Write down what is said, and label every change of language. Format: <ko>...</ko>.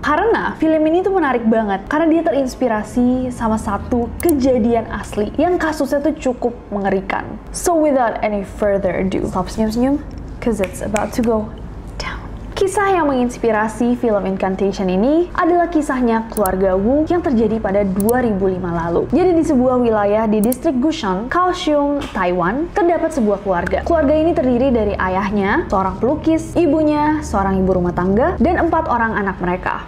<id>Karena film ini tuh menarik banget karena dia terinspirasi sama satu kejadian asli yang kasusnya tuh cukup mengerikan.</id> <en>So without any further ado, stop</en> <id>senyum-senyum,</id> <en>cause it's about to go down.</en> <id>Kisah yang menginspirasi film Incantation ini adalah kisahnya keluarga Wu yang terjadi pada 2005 lalu. Jadi di sebuah wilayah di distrik Kaohsiung, Kaohsiung, Taiwan, terdapat sebuah keluarga. Keluarga ini terdiri dari ayahnya, seorang pelukis, ibunya, seorang ibu rumah tangga, dan 4 orang anak mereka.</id>